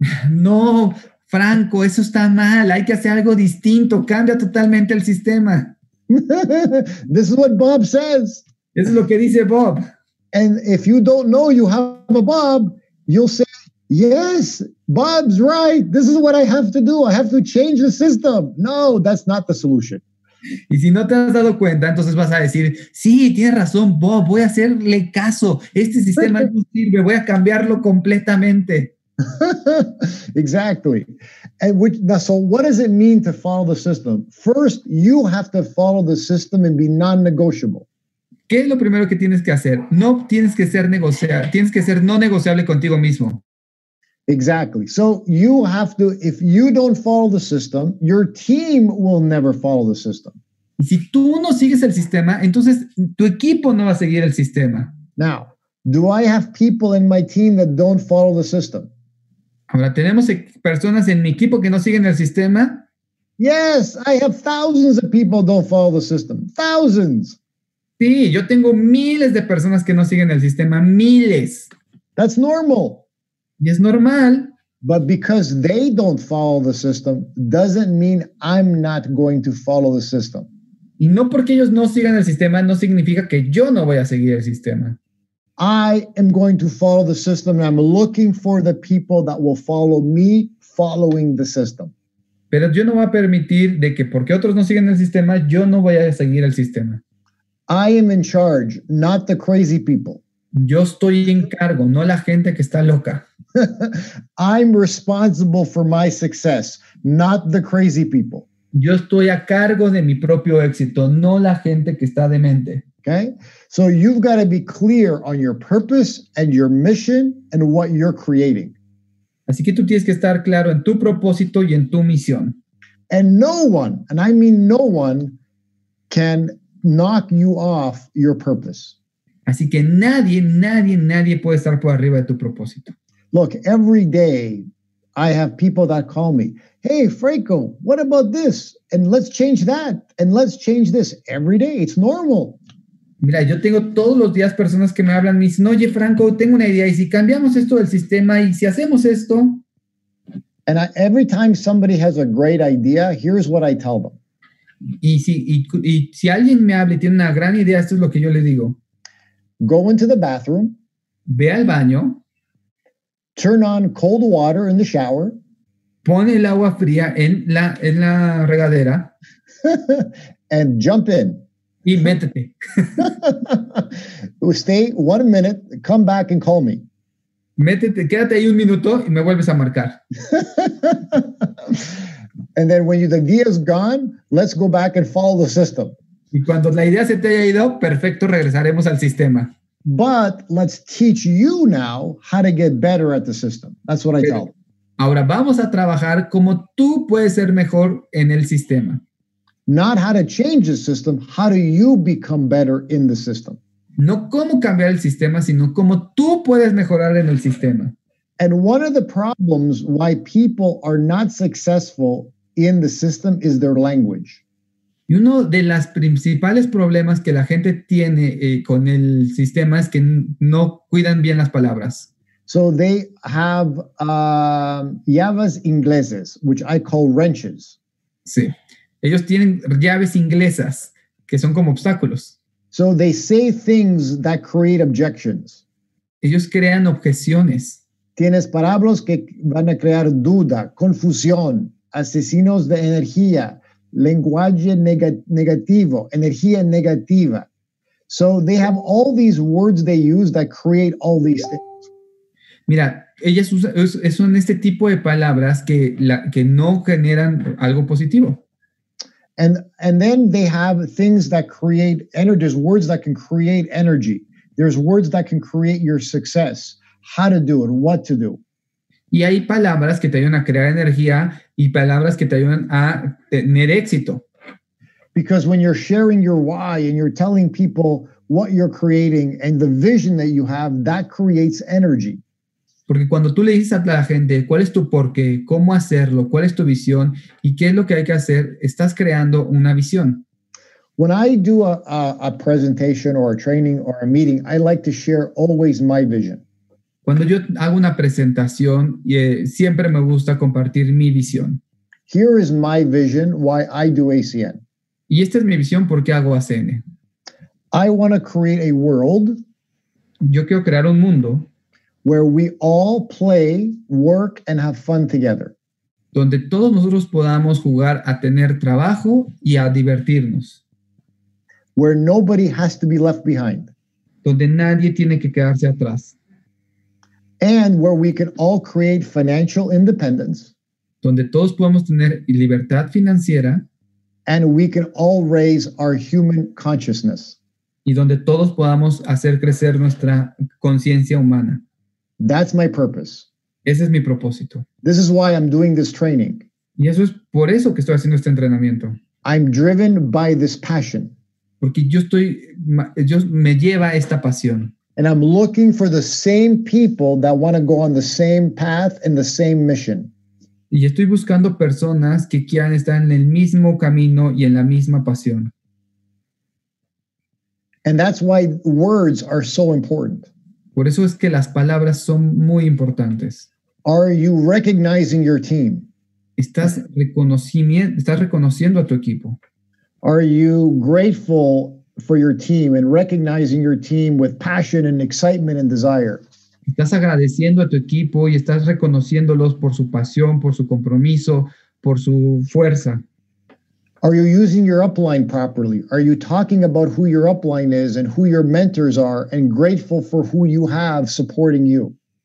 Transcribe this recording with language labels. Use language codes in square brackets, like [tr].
[es] No, Franco, eso está mal. Hay que hacer algo distinto. Cambia totalmente el sistema. [en] This is what Bob says. [es] Eso es lo que dice Bob. [en] And if you don't know you have a Bob, you'll say, yes, Bob's right. This is what I have to do. I have to change the system. No, that's not the solution. [es] Y si no te has dado cuenta, entonces vas a decir, sí, tienes razón, Bob, voy a hacerle caso. Este sistema no sirve, voy a cambiarlo completamente. [en] Exactly. So what does it mean to follow the system? First, you have to follow the system and be non-negotiable. [es] ¿Qué es lo primero que tienes que hacer? No tienes que ser negociable, tienes que ser no negociable contigo mismo. [en] Exactly. So you have to, if you don't follow the system, your team will never follow the system. [es] Si tú no sigues el sistema, entonces tu equipo no va a seguir el sistema. [en] Now, do I have people in my team that don't follow the system? [es] Ahora, ¿tenemos personas en mi equipo que no siguen el sistema? [en] Yes, I have thousands of people don't follow the system. Thousands. [es] Sí, yo tengo miles de personas que no siguen el sistema. Miles. [en] That's normal. [es] Y es normal. [en] But because they don't follow the system doesn't mean I'm not going to follow the system. [es] Y no porque ellos no sigan el sistema no significa que yo no voy a seguir el sistema. [en] I am going to follow the system and I'm looking for the people that will follow me following the system. [es] Pero yo no voy a permitir de que porque otros no siguen el sistema yo no voy a seguir el sistema. [en] I am in charge, not the crazy people. [es] Yo estoy en cargo, no la gente que está loca. [en] I'm responsible for my success, not the crazy people. [es] Yo estoy a cargo de mi propio éxito, no la gente que está demente. [en] Okay? So you've got to be clear on your purpose and your mission and what you're creating. [es] Así que tú tienes que estar claro en tu propósito y en tu misión. [en] And no one, and I mean no one, can knock you off your purpose. [es] Así que nadie, nadie, nadie puede estar por arriba de tu propósito. [en] Look, every day I have people that call me, hey, Franco, what about this? And let's change that. And let's change this every day. It's normal. [es] Mira, yo tengo todos los días personas que me hablan, me dicen, oye, Franco, tengo una idea. ¿Y si cambiamos esto del sistema? ¿Y si hacemos esto? [en] And every time somebody has a great idea, here's what I tell them. [es] Y si alguien me habla y tiene una gran idea, esto es lo que yo le digo. [en] Go into the bathroom. [es] Ve al baño. [en] Turn on cold water in the shower. [es] Pon el agua fría en la regadera. [en] And jump in. [es] Y métete. [en] Stay 1 minute, come back and call me. [es] Métete, quédate ahí un minuto y me vuelves a marcar. [en] And then when the idea is gone, let's go back and follow the system. [es] Y cuando la idea se te haya ido, perfecto, regresaremos al sistema. [en] But let's teach you now how to get better at the system. That's what I tell. [es] Ahora vamos a trabajar cómo tú puedes ser mejor en el sistema. [en] Not how to change the system, how do you become better in the system? [es] No cómo cambiar el sistema, sino cómo tú puedes mejorar en el sistema. [en] And one of the problems why people are not successful in the system is their language. [es] Y uno de los principales problemas que la gente tiene con el sistema es que no cuidan bien las palabras. [en] So they have [es] llaves ingleses, [en] which I call wrenches. [es] Sí. Ellos tienen llaves inglesas, que son como obstáculos. [en] So they say things that create objections. [es] Ellos crean objeciones. Tienes palabras que van a crear duda, confusión, asesinos de energía, lenguaje negativo, energía negativa. [en] So they have all these words they use that create all these things. [es] Mira, ellas son este tipo de palabras que no generan algo positivo. [en] And then they have things that create energy. There's words that can create energy. There's words that can create your success. How to do it, what to do. [es] Y hay palabras que te ayudan a crear energía y palabras que te ayudan a tener éxito. [en] Because when you're sharing your why and you're telling people what you're creating and the vision that you have, that creates energy. [es] Porque cuando tú le dices a la gente cuál es tu porqué, cómo hacerlo, cuál es tu visión y qué es lo que hay que hacer, estás creando una visión. [en] When I do a presentation or a training or a meeting, I like to share always my vision. [es] Cuando yo hago una presentación, siempre me gusta compartir mi visión. [en] Here is my vision why I do ACN. [es] Y esta es mi visión por qué hago ACN. [en] I want to create a world. [es] Yo quiero crear un mundo [en] where we all play, work, and have fun together. [es] Donde todos nosotros podamos jugar a tener trabajo y a divertirnos. [en] Where nobody has to be left behind. [es] Donde nadie tiene que quedarse atrás. [en] And where we can all create financial independence. [es] Donde todos podamos tener libertad financiera. [en] And we can all raise our human consciousness. [es] Y donde todos podamos hacer crecer nuestra conciencia humana. [en] That's my purpose. [es] Ese es mi propósito. [en] This is why I'm doing this training. [es] Y eso es por eso que estoy haciendo este entrenamiento. [en] I'm driven by this passion. [es] Porque yo me lleva esta pasión. [en] And I'm looking for the same people that want to go on the same path and the same mission. [es] Y estoy buscando personas que quieran estar en el mismo camino y en la misma pasión. [en] And that's why words are so important. [es] Por eso es que las palabras son muy importantes. [en] Are you recognizing your team? [es] ¿Estás reconociendo a tu equipo? [en] Are you grateful for your team and recognizing your team with passion and excitement and desire? [es] ¿Estás agradeciendo a tu equipo y estás reconociéndolos por su pasión, por su compromiso, por su fuerza? [en] Are you using your upline properly? Are you talking about who your upline is and who your mentors are and grateful for who you have supporting you?